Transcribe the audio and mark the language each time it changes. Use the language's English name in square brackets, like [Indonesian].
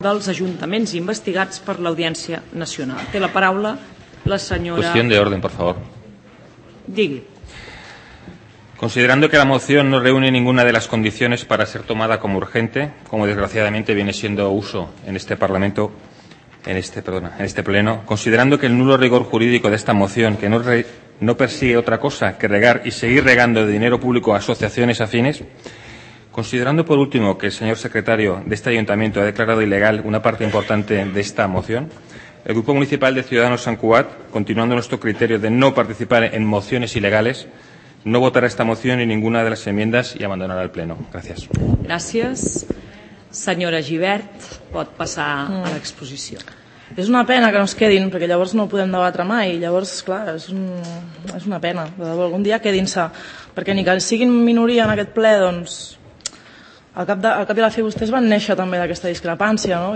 [Catalan] dels ajuntaments investigats per l'Audiència Nacional. Té la paraula la senyora... [Spanish] Qüestió de orden, por favor. [Catalan] Digui. [Spanish] Considerando que la moción no reúne ninguna de las condiciones para ser tomada como urgente, como desgraciadamente viene siendo uso en este Parlamento, en este pleno, considerando que el nulo rigor jurídico de esta moción, que no persigue otra cosa que regar y seguir regando de dinero público a asociaciones afines, considerando por último que el señor secretario de este ayuntamiento ha declarado ilegal una parte importante de esta moción, el Grupo Municipal de Ciudadanos San Cugat, continuando nuestro criterio de no participar en mociones ilegales, no votará esta moción ni ninguna de las enmiendas y abandonará el pleno. Gracias. Gracias. [Catalan] Senyora Gibert, pot passar a l'exposició. És una pena que no es quedin, perquè llavors no ho podem debatre mai. Llavors, clar, és una pena. De debò, algun dia quedin-se. Perquè ni que siguin minoria en aquest ple, doncs, al cap i a la fi vostès van néixer també d'aquesta discrepància, no?